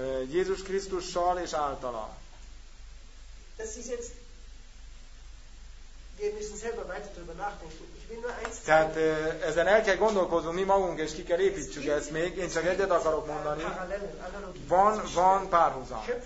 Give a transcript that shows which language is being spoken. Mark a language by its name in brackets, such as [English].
[Hungarian] Jézus Krisztussal és általa. [German] Wir müssen selber weiter darüber nachdenken. Ich will nur eins sagen. [Hungarian] Tehát ezen el kell gondolkozunk mi magunk, és ki kell építsük ezt még. Én csak egyet akarok mondani. Van párhuzam.